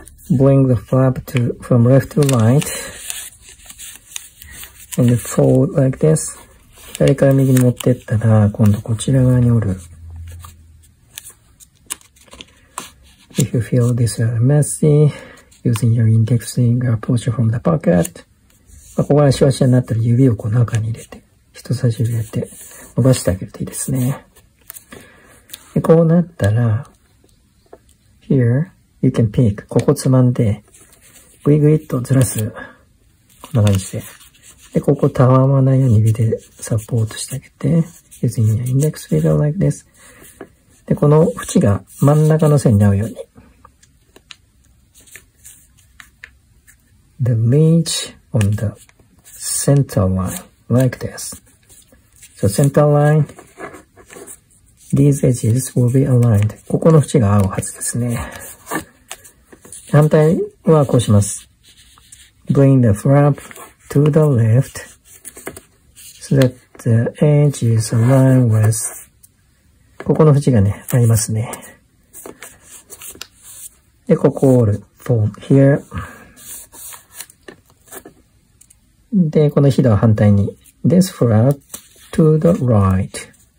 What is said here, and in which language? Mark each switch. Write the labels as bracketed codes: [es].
[en] Bring the flap to, from left to right. And fold like this. [ja] 左から右に持ってったら、今度こちら側に折る。 [en] If you feel this messy, using your index finger, push from the pocket. [ja] ここがシワシワになったら指をこう中に入れて、人差し指入れて伸ばしてあげるといいですね。でこうなったら、 [en] here, you can pick. [ja] ここつまんで、グイグイっとずらす。こんな感じで。で、ここたわまないように指でサポートしてあげて、 [en] using your index finger like this. [ja] で、この縁が真ん中の線に合うように。 [en] The ridge on the center line, like this. So center line, these edges will be aligned. [ja] ここの縁が合うはずですね。反対はこうします。 [en] Bring the flap to the left, so that the edge is aligned with... [ja] ここの縁がね、ありますね。で、ここを折る。 [en] fold here。 [ja] で、このひだは反対に。 [en] this flap to the right。